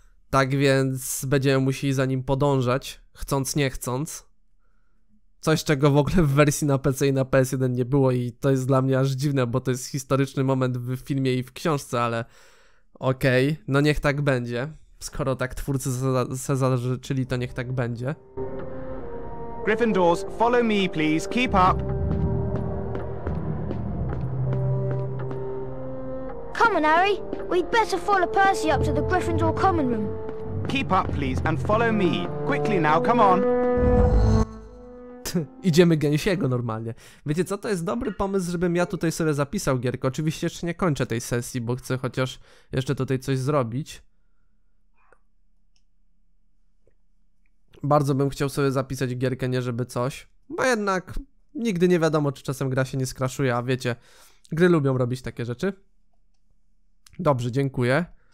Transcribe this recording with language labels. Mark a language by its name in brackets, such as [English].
[Polish] Tak więc będziemy musieli za nim podążać, chcąc nie chcąc. Coś, czego w ogóle w wersji na PC i na PS1 nie było i to jest dla mnie aż dziwne, bo to jest historyczny moment w filmie i w książce, ale okej, no niech tak będzie. Skoro tak twórcy se zażyczyli, to niech tak będzie. [English] Gryffindors, follow me, please. Keep up. Come on, Harry. We'd better follow Percy up to the Gryffindor common room. Keep up, please, and follow me. Quickly now, come on. [Polish] Idziemy gęsiego normalnie. Wiecie co, to jest dobry pomysł, żebym ja tutaj sobie zapisał gierkę. Oczywiście jeszcze nie kończę tej sesji, bo chcę chociaż jeszcze tutaj coś zrobić. Bardzo bym chciał sobie zapisać gierkę, nie żeby coś. Bo jednak nigdy nie wiadomo, czy czasem gra się nie skraszuje, a wiecie, gry lubią robić takie rzeczy. Dobrze, dziękuję.